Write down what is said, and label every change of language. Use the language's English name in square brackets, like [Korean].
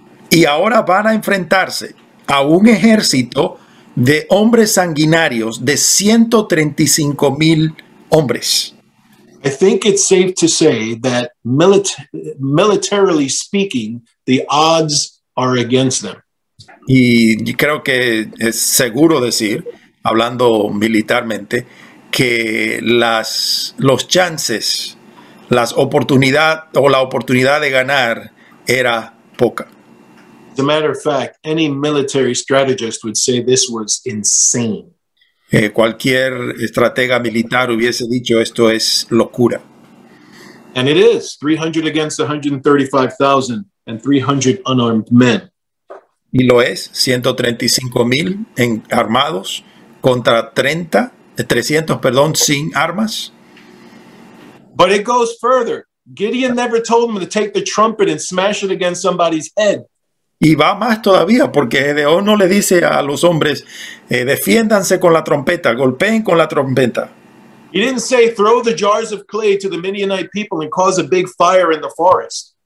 [Spanish] Y ahora van a enfrentarse a un ejército de hombres sanguinarios de 135,000 hombres. [English] I think it's safe to say that militarily speaking, the odds are against them. [Spanish] Y creo que es seguro decir, hablando militarmente, que los chances, la oportunidad de ganar era poca. [English] As a matter of fact, any military strategist would say this was insane. [Spanish] Cualquier estratega militar hubiese dicho esto es locura. [English] And it is 300 against 135,000 and 300 unarmed men. [Spanish] Y lo es 135,000 en armados contra 300 sin armas. [English] But it goes further. Gideon never told him to take the trumpet and smash it against somebody's head. [Spanish] Y va más todavía, porque Gedeón no le dice a los hombres, defiéndanse con la trompeta, golpeen con la trompeta. [English] He didn't say, throw the jars of clay to the Midianite people and cause a big fire in the forest.